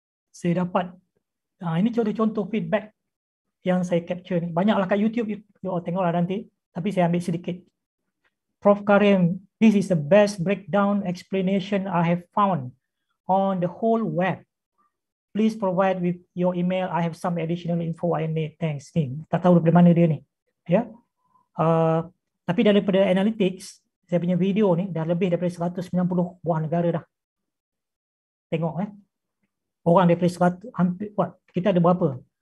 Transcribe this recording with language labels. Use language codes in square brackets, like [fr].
[ms] Saya dapat ini contoh-contoh feedback yang saya capture ni. Banyaklah kat YouTube, you all tengoklah nanti. Tapi saya ambil sedikit. Prof. [en] Karim, this is the best breakdown explanation I have found on the whole web. Please provide with your email. I have some additional info I need. Thanks. [ms] Ni, tak tahu daripada mana dia ni. Ya. Tapi daripada analytics, saya punya video ni dah lebih daripada 190 buah negara dah. Tengok eh. Orang daripada 100, hampir, what? Kita ada berapa?